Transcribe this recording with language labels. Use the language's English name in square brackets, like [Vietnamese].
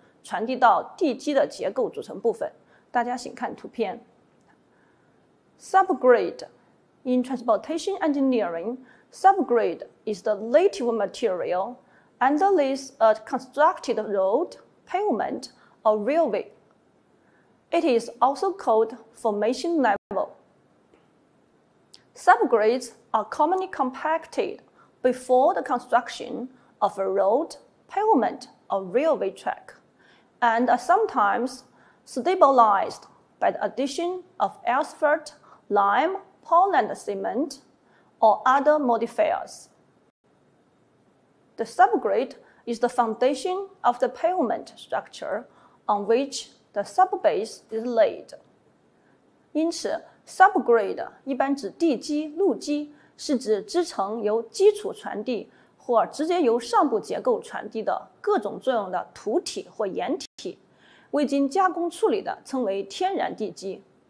[Chinese] 传递到地基的结构组成部分。大家请看图片。 [English] Subgrade in transportation engineering, subgrade is the native material. Underlies a constructed road, pavement, or railway. It is also called formation level. Subgrades are commonly compacted before the construction of a road, pavement, or railway track, and are sometimes stabilized by the addition of asphalt, lime, Poland cement, or other modifiers. The subgrade is the foundation of the pavement structure on which the subbase is laid. [Chinese] 因此 subgrade 一般指地基、路基，是指支撑由基础传递或直接由上部结构传递的各种作用的土体或岩体，未经加工处理的称为天然地基。